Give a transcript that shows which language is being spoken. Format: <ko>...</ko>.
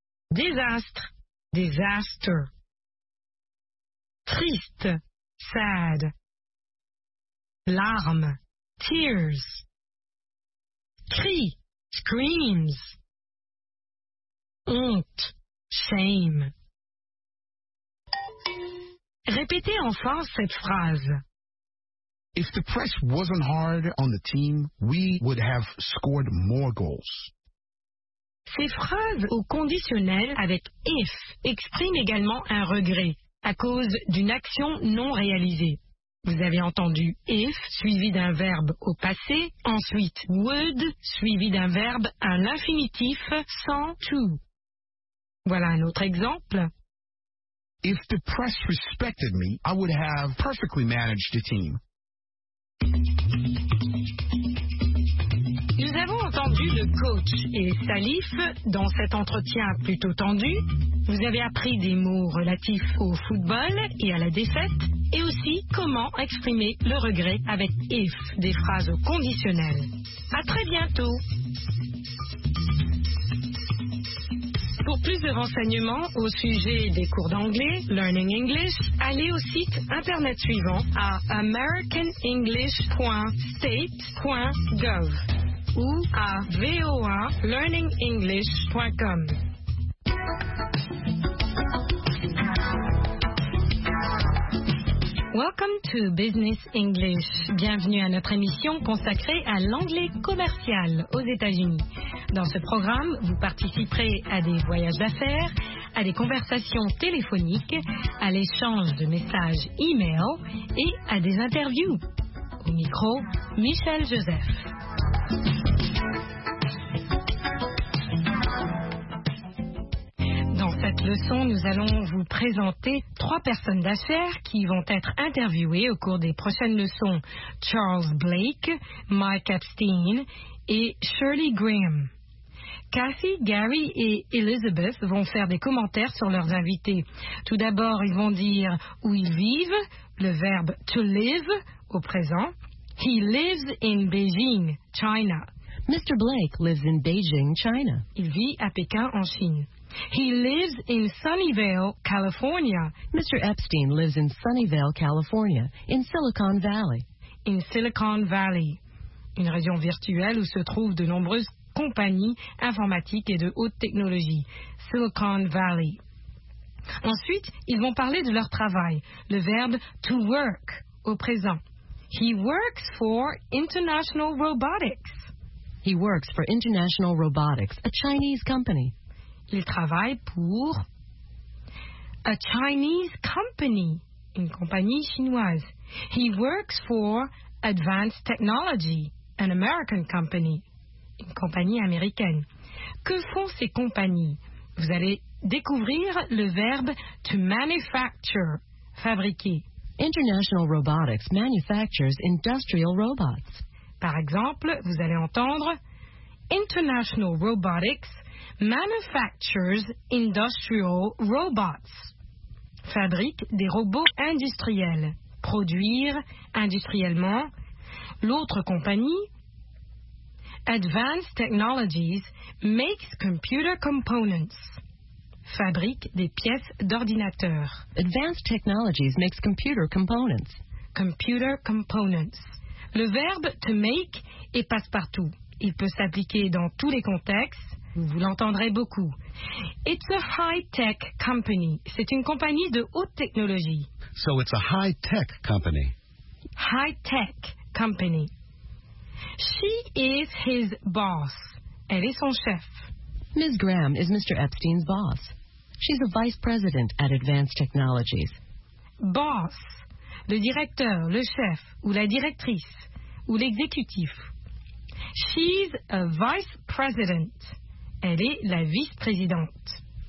<fr>Désastre. Disaster. Triste, sad. Larmes, tears. crie, screams. Honte, shame. Répétez en force cette phrase.</fr> <en>If the press wasn't hard on the team, we would have scored more goals.</en> <fr>Ces phrases au conditionnel avec if expriment également un regret à cause d'une action non réalisée. Vous avez entendu if suivi d'un verbe au passé, ensuite would suivi d'un verbe à l'infinitif sans to. Voilà un autre exemple.</fr> <en>If the press respected me, I would have perfectly managed the team.</en> <fr>Nous avons entendu le coach et Salif dans cet entretien plutôt tendu. Vous avez appris des mots relatifs au football et à la défaite, et aussi comment exprimer le regret avec if, des phrases au conditionnel. À très bientôt. Pour plus de renseignements au sujet des cours d'anglais, Learning English, allez au site internet suivant à americanenglish.state.gov ou à voalearningenglish.com.</fr> <en>Welcome to Business English.</en> <fr>Bienvenue à notre émission consacrée à l'anglais commercial aux États-Unis. Dans ce programme, vous participerez à des voyages d'affaires, à des conversations téléphoniques, à l'échange de messages e-mail et à des interviews. Au micro, Michel Joseph. Cette leçon, nous allons vous présenter trois personnes d'affaires qui vont être interviewées au cours des prochaines leçons. Charles Blake, Mike Epstein et Shirley Graham. Kathy, Gary et Elizabeth vont faire des commentaires sur leurs invités. Tout d'abord, ils vont dire où ils vivent, le verbe to live au présent.</fr> <en>He lives in Beijing, China. Mr. Blake lives in Beijing, China.</en> <fr>Il vit à Pékin en Chine.</fr> <en>He lives in Sunnyvale, California. Mr. Epstein lives in Sunnyvale, California, in Silicon Valley.</en> <fr>In Silicon Valley, une région virtuelle où se trouvent de nombreuses compagnies informatiques et de haute technologie. Silicon Valley. Ensuite, ils vont parler de leur travail, le verbe to work au présent.</fr> <en>He works for International Robotics. He works for International Robotics, a Chinese company.</en> <fr>Il travaille pour</fr> <en>a Chinese company,</en> <fr>une compagnie chinoise.</fr> <en>He works for Advanced Technology, an American company,</en> <fr>une compagnie américaine. Que font ces compagnies? Vous allez découvrir le verbe to manufacture, fabriquer.</fr> <en>International Robotics manufactures industrial robots.</en> <fr>Par exemple, vous allez entendre</fr> <en>International Robotics manufactures industrial robots.</en> <fr>Fabrique des robots industriels. Produire industriellement. L'autre compagnie,</fr> <en>Advanced Technologies makes computer components.</en> <fr>Fabrique des pièces d'ordinateur.</fr> <en>Advanced Technologies makes computer components. Computer components.</en> <fr>Le verbe to make est passe-partout. Il peut s'appliquer dans tous les contextes. Vous l'entendrez beaucoup.</fr> <en>It's a high-tech company.</en> <fr>C'est une compagnie de haute technologie.</fr> <en>So it's a high-tech company. High-tech company. She is his boss.</en> <fr>Elle est son chef.</fr> <en>Ms. Graham is Mr. Epstein's boss. She's a vice president at Advanced Technologies. Boss.</en> <fr>Le directeur, le chef, ou la directrice, ou l'exécutif.</fr> <en>She's a vice president.</en> <fr>Elle est la vice-présidente.</fr>